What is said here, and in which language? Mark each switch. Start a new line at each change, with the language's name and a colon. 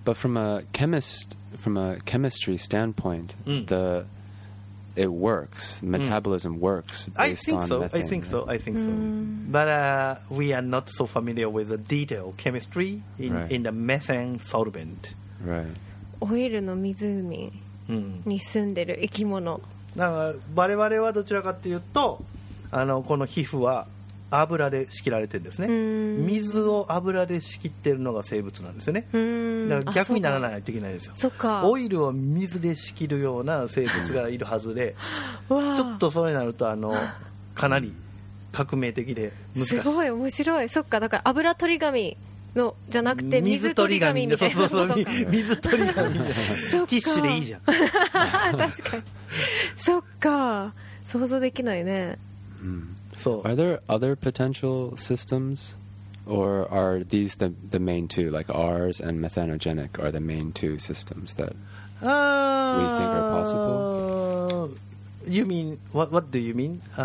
English: But from a chemistry standpoint, it works. Metabolism works based on methane. I think so. But we are not so familiar with the detailed chemistry in the methane solvent. Right.
Japanese: Oil の湖。に住んでる生き物。だから我々はどちらかというと、あのこの皮膚は油で仕切られてるんですね。水を油で仕切ってるのが生物なんですよね。だから逆にならないといけないですよ。そうか、オイルを水で仕切るような生物がいるはずで、ちょっとそれになるとあのかなり革命的で難しい。すごい面白い。そっか、だから油取り紙のじゃなくて水取り紙みたいなのとか。そうそうそう、水取り紙みたいな。ティッシュでいいじゃん。確かに。そっか、想像できないね。うん。
English: So, are there other potential systems, or are these the main two, like ours and methanogenic are the main two systems that we think are possible? You mean, what do you mean?